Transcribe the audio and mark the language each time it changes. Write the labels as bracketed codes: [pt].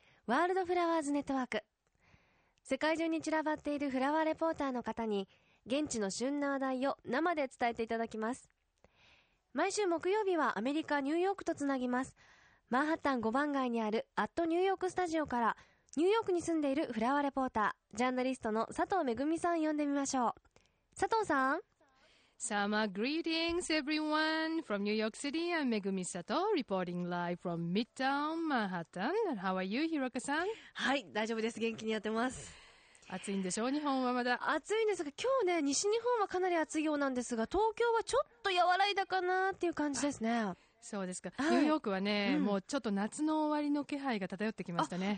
[ja] ワールドフラワーズネットワーク。世界中に散らばっているフラワーレポーターの方に現地の旬な話題を生で伝えていただきます。毎週木曜日はアメリカニューヨークとつなぎます。マンハッタン5番街にあるアットニューヨークスタジオからニューヨークに住んでいるフラワーレポータージャーナリストの佐藤めぐみさん呼んでみましょう。佐藤さん。 [en] Summer greetings everyone from New York City. I'm Megumi Sato reporting live from Midtown Manhattan. And how are you, Hiroka さん。 [ja] はい、大丈夫です。元気にやってます。暑いんでしょう、日本はまだ。暑いんですが、今日ね、西日本はかなり暑いようなんですが、東京はちょっと和らいだかなっていう感じですね。そうですか、はい、ニューヨークはね、うん、もうちょっと夏の終わりの気配が漂ってきましたね。